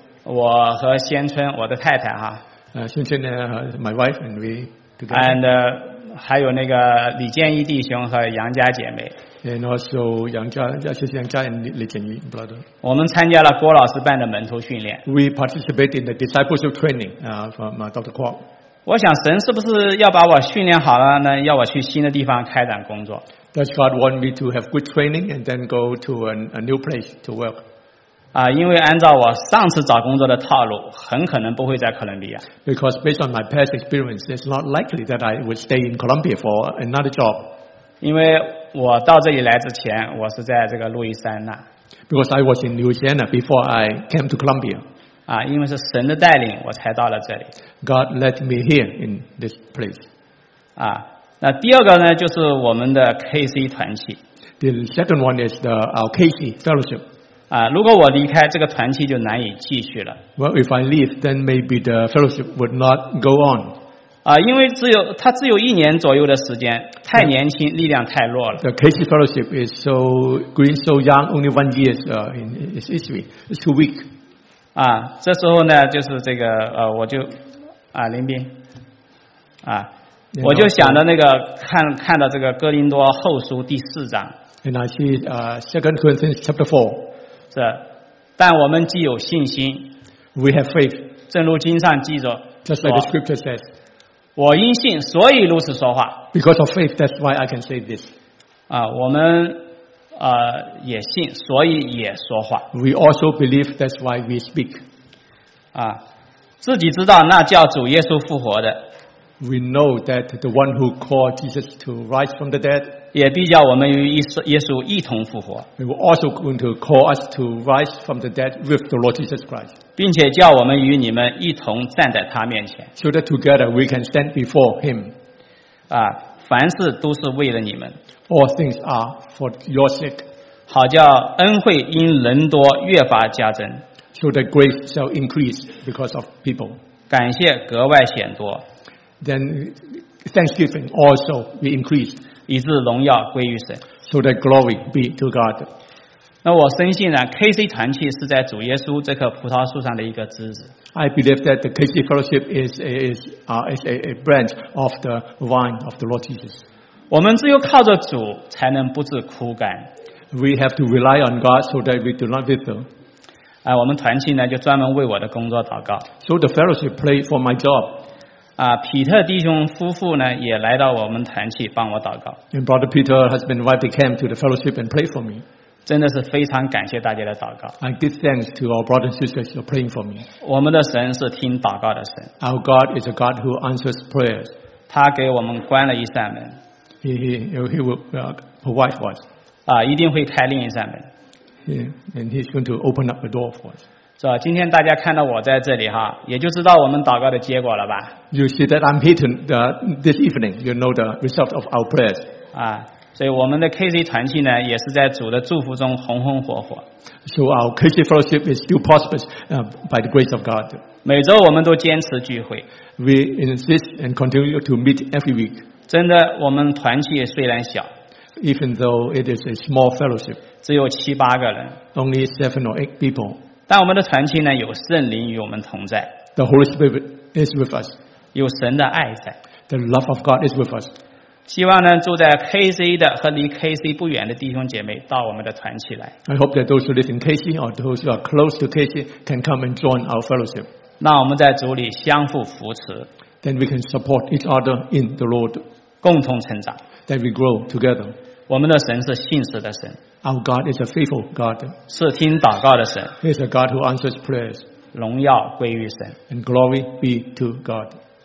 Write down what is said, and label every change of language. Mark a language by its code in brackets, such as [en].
[zh] 我和先春，我的太太哈。 [en] 先春呢 ，my wife and we together。 And [zh] 还有那个李建一弟兄和杨家姐妹。 [en] And also 杨家 and 李建一 brother。 [zh] 我们参加了郭老师办的门徒训练。 [en] We participated in the discipleship training from Dr. Kwok。 [zh] 我想神是不是要把我训练好了呢？要我去新的地方开展工作？ [en] Does God want me to have good training and then go to a new place to work? [zh] 因为按照我上次找工作的套路，很可能不会在哥伦比亚。 [en] Because based on my past experience, it's not likely that I would stay in Colombia for another job. [zh] 因为我到这里来之前，我是在这个路易斯安那。 [en] Because I was in Louisiana before I came to Colombia. [zh] 因为是神的带领，我才到了这里。 [en] God led me here in this place. [zh] 那第二个呢，就是我们的 KC 团契。 [en] The second one is our KC fellowship. [zh] 如果我离开这个团契，就难以继续了。 [en] Well, if I leave, then maybe the fellowship would not go on. [zh] 因为只有一年左右的时间，太年轻，力量太弱了。 [en] The KC fellowship is so green, so young, only 1 year in its history. It's too weak. [zh] 这时候呢，就是这个我就林斌我就想到那个看到这个哥林多后书第四章 [en] ，and I see Second Corinthians chapter 4。 [zh] 是，但我们既有信心 [en] ，we have faith。 [zh] 正如经上记着 [en] ，just like the scripture says， [zh] 我因信，所以如此说话。 [en] Because of faith, that's why I can say this。 [zh] 我们也信，所以也说话。 [en] We also believe, that's why we speak. [zh] 啊，自己知道那叫主耶稣复活的。 [en] We know that the one who called Jesus to rise from the dead. [zh] 也必叫我们与耶稣一同复活。 [en] He will also going to call us to rise from the dead with the Lord Jesus Christ. [zh] 并且叫我们与你们一同站在他面前。 [en] So that together we can stand before him. [zh] 啊。凡事都是为了你们。 [en] All things are for your sake. [zh] 好叫恩惠因人多越发加增。 [en] So that grace shall increase because of people. [zh] 感谢格外显多。 [en] Then thanksgiving also be increased. [zh] 以致荣耀归于神。 [en] So that glory be to God. [zh] 那我深信呢 ，KC 团契是在主耶稣这棵葡萄树上的一个枝子。 [en] I believe that the KC Fellowship is a branch of the vine of the Lord Jesus. [zh] 我们只有靠着主才能不致枯干。 [en] We have to rely on God so that we do not wither. [zh] 哎，我们团契呢就专门为我的工作祷告。 [en] So the fellowship pray for my job. [zh] 啊，皮特弟兄夫妇呢也来到我们团契帮我祷告。 [en] And Brother Peter, husband, wife, they came to the fellowship and pray for me. [zh] 真的是非常感谢大家的祷告。 [en] I give thanks to our brothers and sisters for praying for me. [zh] 我们的神是听祷告的神。 [en] Our God is a God who answers prayers. [zh] 他给我们关了一扇门。 [en] He will provide for us. [zh] 啊，一定会开另一扇门。 [en] And he's going to open up a door for us. [zh] 是吧？今天大家看到我在这里哈，也就知道我们祷告的结果了吧 [en] ？You see that I'm here this evening. You know the result of our prayers. 啊。 [zh] 所以我们的 KC 团契呢，也是在主的祝福中红红火火。 [en] So our KC fellowship is still prosperous by the grace of God. [zh] 每周我们都坚持聚会。 [en] We insist and continue to meet every week. [zh] 真的，我们团契虽然小 [en] ，even though it is a small fellowship， [zh] 只有七八个人 [en] ，only 7 or 8 people。 [zh] 但我们的团契呢，有圣灵与我们同在 [en] ，the Holy Spirit is with us， [zh] 有神的爱在 [en] ，the love of God is with us。 [zh] 希望呢，住在 KC 的和离 KC 不远的弟兄姐妹到我们的团契来。 [en] I hope that those who live in KC or those who are close to KC can come and join our fellowship. [zh] 那我们在主里相互扶持。 [en] Then we can support each other in the Lord. [zh] 共同成长。 [en] That we grow together. [zh] 我们的神是信实的神。 [en] Our God is a faithful God. [zh] 是听祷告的神。 [en] He is a God who answers prayers. [zh] 荣耀归于神。 [en] And glory be to God.